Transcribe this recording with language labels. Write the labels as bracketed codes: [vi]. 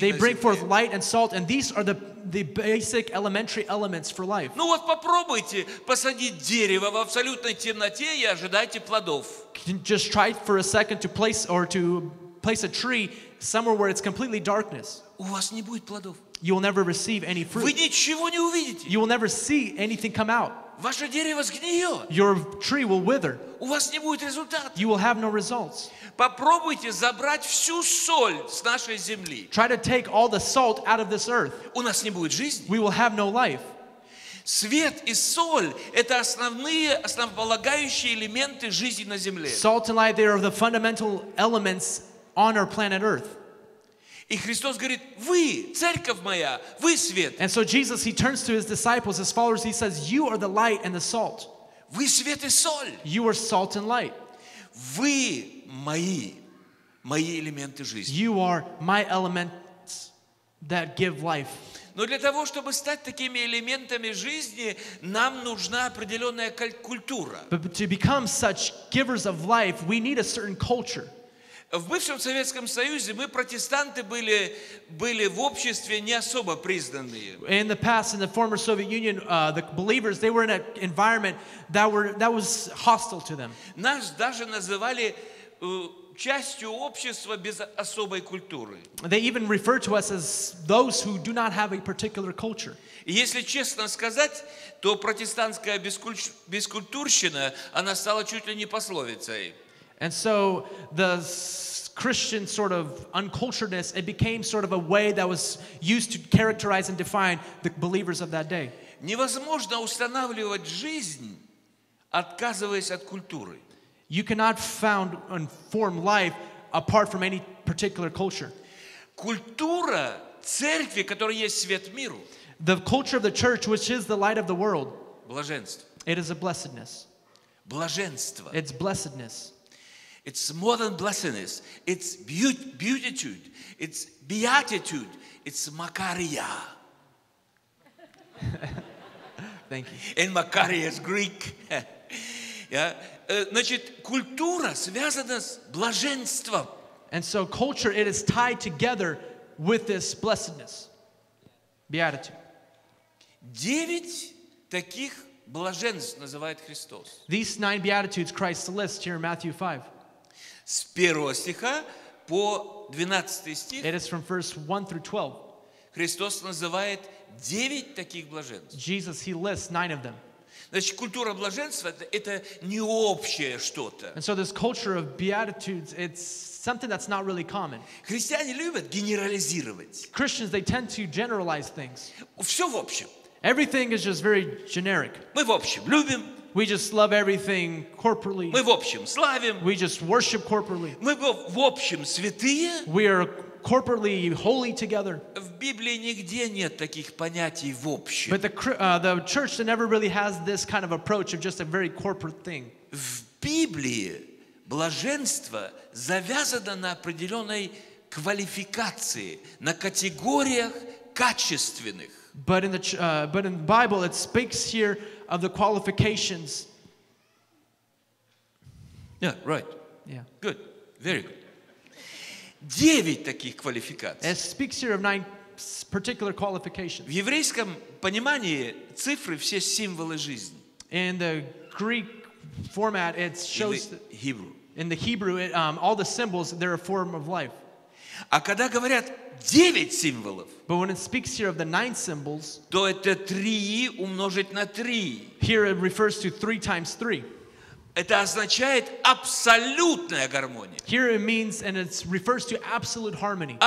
[en] They bring forth light and salt, and these are the basic elementary elements for life. [ru] Ну вот попробуйте посадить дерево в абсолютной темноте и ожидайте плодов. [en] Just try for a second to place or to place a tree somewhere where it's completely darkness. [ru] У вас не будет плодов. [en] You will never receive any fruit. [ru] Вы ничего не увидите. [en] You will never see anything come out. [ru] Ваше дерево сгниет. [en] Your tree will wither. [ru] У вас не будет результата. [en] You will have no results. [ru] Попробуйте забрать всю соль с нашей земли. [en] Try to take all the salt out of this earth. [ru] У нас не будет жизни. [en] We will have no life. [ru] Свет и соль – это основные, основополагающие элементы жизни на земле. [en] Salt and light, they are the fundamental elements on our planet Earth. [ru] И Христос говорит, вы, церковь моя, вы свет. [en] And so Jesus, he turns to his disciples, his followers, he says, you are the light and the salt. [ru] Вы свет и соль. [en] You are salt and light. [ru] Вы мои, мои элементы жизни. [en] You are my elements that give life. [ru] Но для того, чтобы стать такими элементами жизни, нам нужна определенная культура. [en] But to become such givers of life, we need a certain culture. [ru] В бывшем Советском Союзе мы, протестанты, были в обществе не особо признанные. [en] In the past, in the former Soviet Union, the believers, they were in an environment that was hostile to them. [ru] Нас даже называли частью общества без особой культуры. [en] They even refer to us as those who do not have a particular culture. [ru] Если честно сказать, то протестантская бескультурщина, она стала чуть ли не пословицей. [en] And so the Christian sort of unculturedness, it became sort of a way that was used to characterize and define the believers of that day. [ru] Невозможно устанавливать жизнь, отказываясь от культуры. [en] You cannot found and form life apart from any particular culture. [ru] Культура церкви, которая есть свет миру. [en] The culture of the church, which is the light of the world. [ru] Блаженство. [en] It is a blessedness. [ru] Блаженство. [en] It's blessedness. It's more than blessedness. It's beatitude. It's beatitude. It's makaria. Thank you. And makaria is Greek. Yeah. [ru] Значит, культура связана с блаженством. [en] And so culture, it is tied together with this blessedness. Beatitude. [ru] Девять таких блаженств называет Христос. [en] These nine beatitudes Christ lists here in Matthew 5. [ru] С первого стиха по 12 стих. [en] It is from verse 1 through 12. [ru] Христос называет 9 таких блаженств. [en] Jesus, he lists 9 of them. [ru] Значит, культура блаженства это не общее что-то. [en] And so this culture of beatitudes, it's something that's not really common. [ru] Христиане любят генерализировать. [en] Christians, they tend to generalize things. [ru] Все в общем. [en] Everything is just very generic. [ru] Мы в общем любим. [en] We just love everything corporately. [ru] Мы в общем славим. [en] We just worship corporately. [ru] Мы в общем святые. [en] We are corporately holy together. [ru] В Библии нигде нет таких понятий в общем. [en] But the church never really has this kind of approach of just a very corporate thing. [ru] В Библии блаженство завязано на определенной квалификации, на категориях качественных. [en] But in the Bible, it speaks here of the qualifications. Yeah, right. Yeah. Good. Very good. [ru] 9 таких квалификаций. [en] It speaks here of 9 particular qualifications. [ru] В еврейском понимании цифры все символы жизни. [en] In the Greek format, it shows. Hebrew. In the Hebrew, all the symbols, they're a form of life. [ru] А когда говорят 9 символов, [en] but when it speaks here of the 9 symbols, [ru] то это 3 умножить на 3. [en] Here it refers to 3 times 3. [ru] Это означает абсолютная гармония. [en] Here it means, and it refers to absolute harmony.